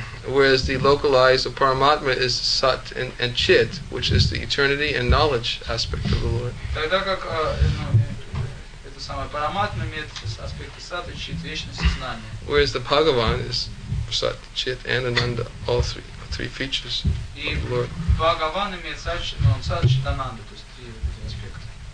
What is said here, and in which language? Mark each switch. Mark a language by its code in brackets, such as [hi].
[en] Whereas the localized or Paramatma is sat and chit, which is the eternity and knowledge aspect of the Lord. [ru] Тогда как это самое Параматма имеет аспекты сат и чит, вечности, знания. [en] Whereas the Bhagavan is sat, chit, and ananda, all three features of the Lord. [ru] Bhagavan имеет сат, но он сат, чит, ананда, то есть три аспекта.